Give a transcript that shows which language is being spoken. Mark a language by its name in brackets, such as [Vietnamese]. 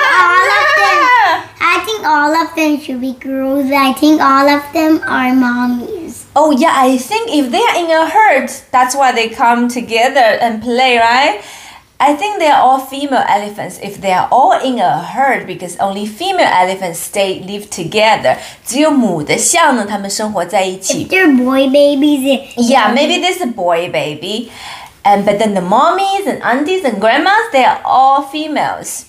[English] I think all of them should be girls. I think all of them are mommies. Oh yeah, I think if they are in a herd, that's why they come together and play, right? I think they are all female elephants. If they are all in a herd, because only female elephants live together. [Chinese] 只有母的象呢，他们生活在一起。 [English] If they're boy babies. Yeah, maybe there's a boy baby. But then the mommies and aunties and grandmas, they are all females.